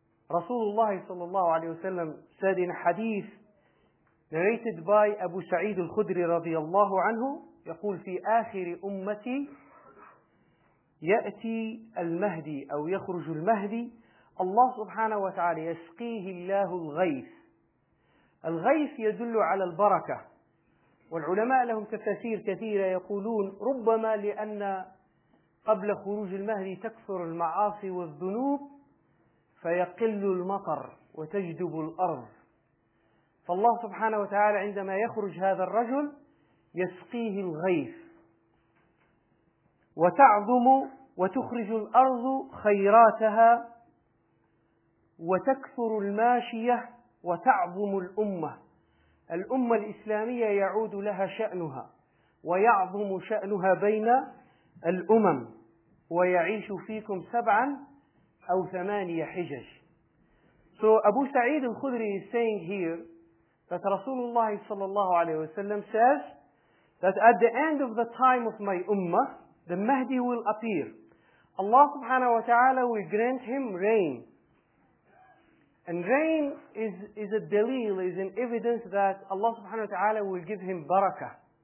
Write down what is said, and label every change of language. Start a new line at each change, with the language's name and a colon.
English: Rasulullah sallallahu alayhi wa sallam said in a hadith narrated by Abu Sa'id al-Khudri radiyallahu anhu,
Arabic: يقول في آخر أمتي يأتي المهدي أو يخرج المهدي. Allah subhanahu wa ta'ala يسقيه الله الغيث. الغيث يدل على البركة، والعلماء لهم تفاسير كثيرة، يقولون ربما لأن قبل خروج المهدي تكثر المعاصي والذنوب فيقل المطر وتجدب الأرض، ف فالله سبحانه وتعالى عندما يخرج هذا الرجل يسقيه الغيث وتعظم وتخرج الأرض خيراتها وتكثر الماشية وتعظم الأمة. الأمة الإسلامية يعود لها شأنها ويعظم شأنها بين الأمم، ويعيش فيكم سبعا أو ثمانية حجج.
English: So أبو سعيد الخدري is saying here that Rasulullah صلى الله عليه وسلم says that at the end of the time of my ummah, the Mahdi will appear. Allah subhanahu wa ta'ala will grant him rain. And rain is a dalil, is an evidence that Allah subhanahu wa ta'ala will give him barakah.